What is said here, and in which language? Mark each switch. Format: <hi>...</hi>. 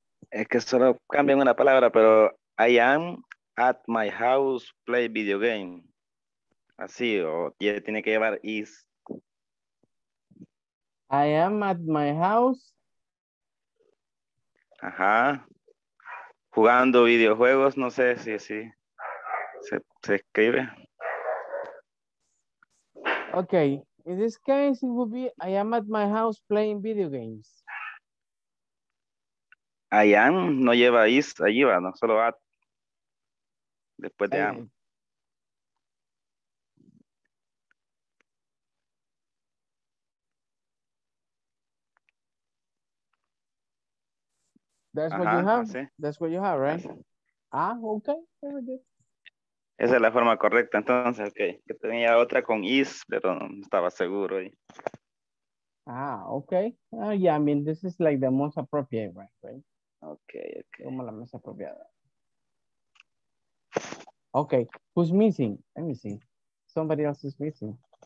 <es>Es que solo cambian una palabra, pero</es> <en>I am at my house play video game.</en> <es>Así, o tiene que llevar is.</es> <en>I am at my house. Ajá.</en> <es>Jugando videojuegos, no sé si así se escribe.</es> <en>Okay, in this case it would be I am at my house playing video games. I am,</en> <es>no lleva is, allí va, no, solo at. Después de am.</es> <en>That's what you have. Sí. That's what you have, right? Ah, okay. Very good.</en> <es>Esa es la forma correcta, entonces, okay. Que tenía otra con is, pero no estaba seguro ahí. Ah, okay.</es> <en>Yeah, I mean, this is like the most appropriate, right? Okay, okay.</en> <es>Como la más apropiada.</es> <en>Okay, who's missing? Let me see. Somebody else is missing.</en>